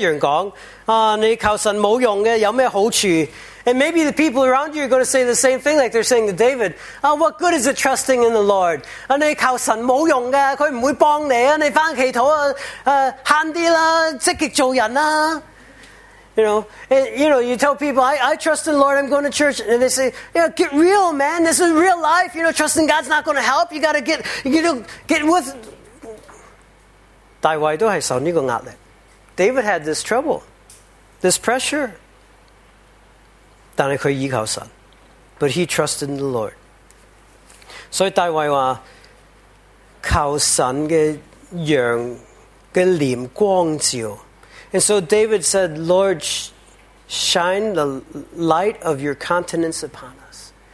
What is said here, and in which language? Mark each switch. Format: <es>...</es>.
<zh>你依靠神,你身边的人可能跟这个诗篇一样说,你靠神没用的,有什么好处?</zh> <en>And maybe the people around you are going to say the same thing like they're saying to David. Oh, what good is it trusting in the Lord?</en> <zh>你靠神没用的,他不会帮你,你回去祈祷,悭点,积极做人。</zh> <en>You know, you tell people, I trust in the Lord, I'm going to church. And they say, you know, get real, man, this is real life. You know, trusting God's not going to help. You got to get with...</en> <zh>大卫都是受这个压力。</zh> <en>David had this trouble, this pressure.</en> <zh>但是他依靠神,</zh> <en>but he trusted in the Lord.</en> <zh>所以大卫说, 靠神的阳的脸光照。</zh> <en>And so David said, Lord, shine the light of your countenance upon us.</en>